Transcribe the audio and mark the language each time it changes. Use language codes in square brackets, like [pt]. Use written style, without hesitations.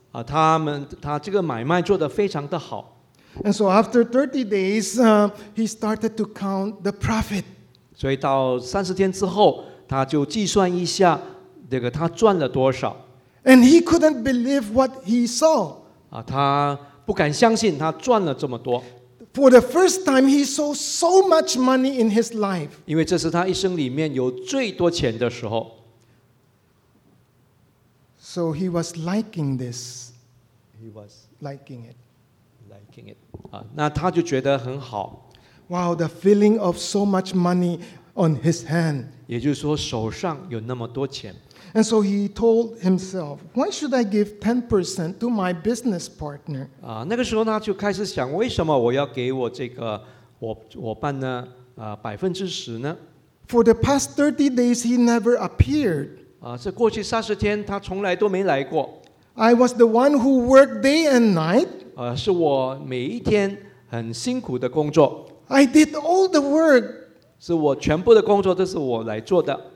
[zh] 他这个买卖做得非常的好。 [en] And so after 30 days, he started to count the profit. [zh] 所以到30天之后，他就计算一下这个他赚了多少。 [en] And he couldn't believe what he saw. [zh] 他不敢相信他赚了这么多。 [en] For the first time, he saw so much money in his life. [zh] 因为这是他一生里面有最多钱的时候。 [en] So he was liking this. He was liking it. Liking it. [zh] 那他就觉得很好。 [en] Wow, the feeling of so much money on his hand. [zh] 也就是说手上有那么多钱。 [en] And so he told himself, why should I give 10% to my business partner? [zh] 那个时候他就开始想，为什么我要给我这个伙伴呢， 10%呢？ [en] For the past 30 days, he never appeared. [zh] 这过去30天他从来都没来过。 [en] I was the one who worked day and night. [zh] 是我每一天很辛苦的工作。 [en] I did all the work. [zh] 是我全部的工作都是我来做的。